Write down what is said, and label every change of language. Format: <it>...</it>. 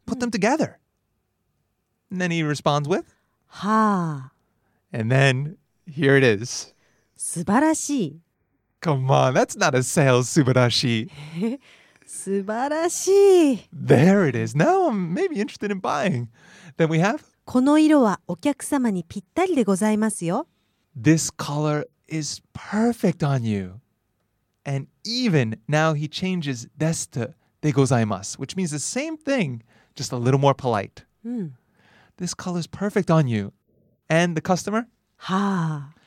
<en>Put them together. And then he responds with? はあ。 And then here it is.</en> <ja>素晴らしい。</ja> <en>Come on, that's not a sales 素晴らしい。</en> <ja>素晴らしい。</ja> <en>There it is. Now I'm maybe interested in buying. Then we have?</en> <ja>この色はお客様にぴったりでございますよ。</ja> <en>This color is perfect on you. And even now he changes desu to de gozaimasu, which means the same thing, just a little more polite. This color is perfect on you. And the customer? Ha.</en>